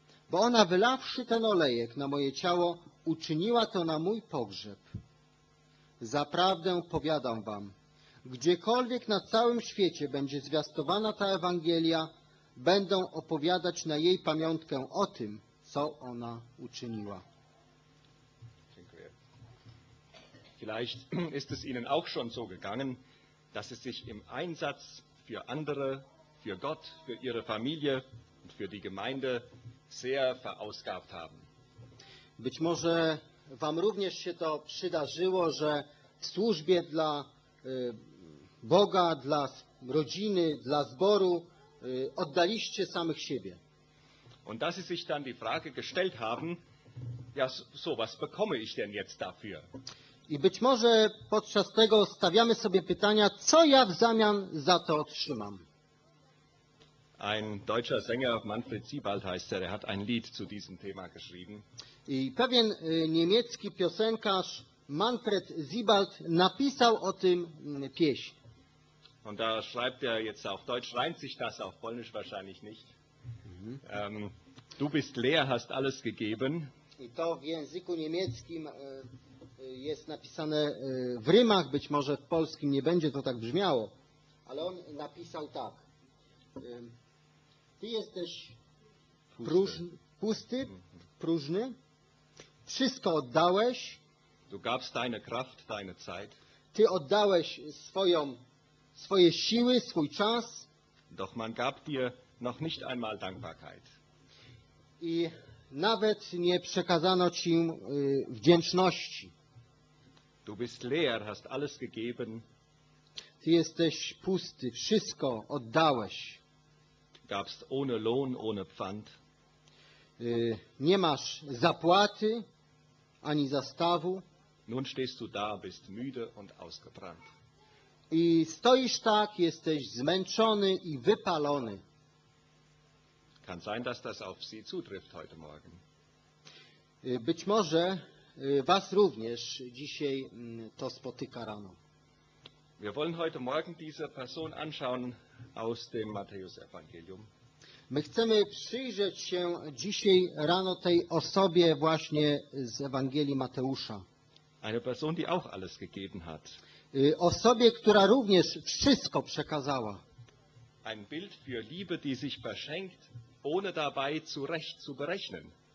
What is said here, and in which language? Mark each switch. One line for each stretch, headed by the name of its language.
Polish: Bo ona, wylawszy ten olejek na moje ciało, uczyniła to na mój pogrzeb. Zaprawdę powiadam wam, gdziekolwiek na całym świecie będzie zwiastowana ta Ewangelia, będą opowiadać na jej pamiątkę o tym, co ona uczyniła. Dziękuję.
German: Vielleicht ist es Ihnen auch schon so gegangen, dass Sie sich im Einsatz für andere, für Gott, für Ihre Familie und für die Gemeinde sehr verausgabt haben.
Polish: Być może wam również się to przydarzyło, że w służbie dla Boga, dla rodziny, dla zboru oddaliście samych siebie.
German: Und dass sie sich dann die Frage gestellt haben, ja so, was bekomme ich denn jetzt dafür?
Polish: I być może podczas tego stawiamy sobie pytania, co ja w zamian za to otrzymam.
German: Ein deutscher Sänger, Manfred Siebald heißt er, hat ein Lied zu diesem Thema geschrieben.
Polish: I pewien niemiecki piosenkarz, Manfred Siebald, napisał o tym pieśń.
German: Und da schreibt er jetzt auf Deutsch, reimt sich das auf Polnisch wahrscheinlich nicht. Mhm. Du bist leer, hast alles gegeben.
Polish: I to w języku niemieckim jest napisane w rymach, być może w polskim nie będzie to tak brzmiało, ale on napisał tak. Ty jesteś pusty, próżny. Wszystko oddałeś.
German: Du gabst deine Kraft, deine Zeit.
Polish: Ty oddałeś swoje siły, swój czas.
German: Doch man gab dir noch nicht einmal Dankbarkeit.
Polish: I nawet nie przekazano ci wdzięczności.
German: Du bist leer, hast alles gegeben.
Polish: Ty jesteś pusty, wszystko oddałeś.
German: Gabst ohne Lohn, ohne Pfand.
Polish: Nie masz zapłaty ani zastawu.
German: Nun stehst du da, bist müde und ausgebrannt.
Polish: I stoisz tak, jesteś zmęczony i wypalony.
German: Kann sein, dass das auf Sie zutrifft heute Morgen.
Polish: Być może was również dzisiaj to spotyka rano.
German: Wir wollen heute Morgen diese Person anschauen aus dem Matthäus-Evangelium.
Polish: My chcemy przyjrzeć się dzisiaj rano tej osobie właśnie z Ewangelii Mateusza.
German: Eine Person, die auch alles gegeben hat.
Polish: Osobie, która również wszystko przekazała.
German: Ein Bild für Liebe, die sich verschenkt, ohne dabei zurecht zu berechnen.